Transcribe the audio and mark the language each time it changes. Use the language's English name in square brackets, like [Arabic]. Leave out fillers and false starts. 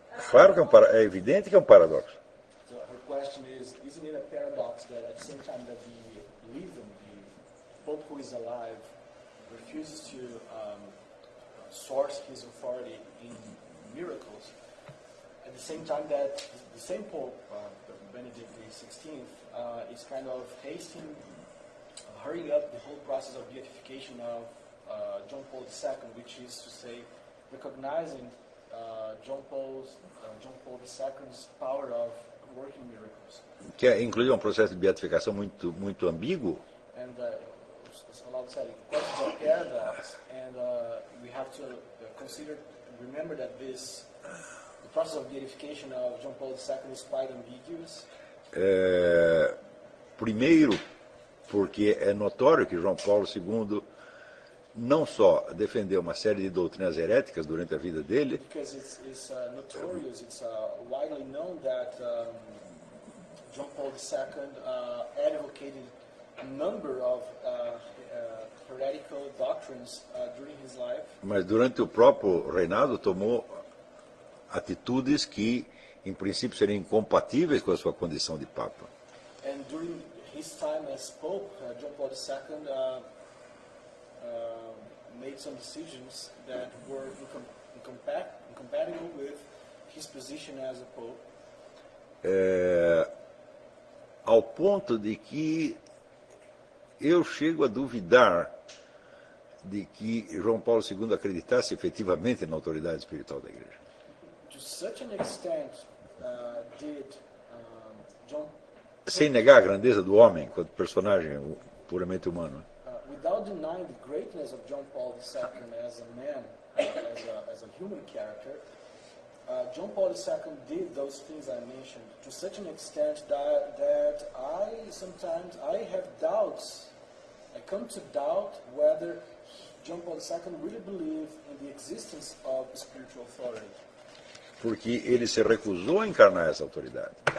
[Portuguese] claro que é um para, é evidente que é um paradoxo. [English] So her question is, isn't it a paradox that at the same time that the living, the Pope who is alive, refuses to source his authority in miracles, at the same time that the same Pope, Benedict XVI, is kind of hasting, hurrying up the whole process of beatification of John Paul II, which is to say, recognizing John Paul II's power of working miracles. [Portuguese] Que é, inclui um processo de beatificação muito, muito ambíguo. [English] And as Paulo said, questions are paradox, and we have to consider, remember that this, the process of beatification of John Paul II is quite ambiguous. [Portuguese] É, primeiro, porque é notório que João Paulo II não só defendeu uma série de doutrinas heréticas durante a vida dele, [English] because it's notorious, it's widely known that John Paul II advocated a number of heretical doctrines during his life. [Portuguese] Mas durante o próprio reinado tomou atitudes que em princípio seriam incompatíveis com a sua condição de papa. [English] And during his time as pope, John Paul II made some decisions that were incompatible with his position as a pope. [Portuguese] É, ao ponto de que eu chego a duvidar de que João Paulo II acreditasse efetivamente na autoridade espiritual da Igreja. [English] To such an extent did John, [Portuguese] sem negar a grandeza do homem quanto personagem puramente humano. [English] Without denying the greatness of John Paul II as a man, as a human character, John Paul II did those things I mentioned to such an extent that I sometimes I have doubts. I come to doubt whether John Paul II really believed in the existence of spiritual authority. [Portuguese] Porque ele se recusou a encarnar essa autoridade.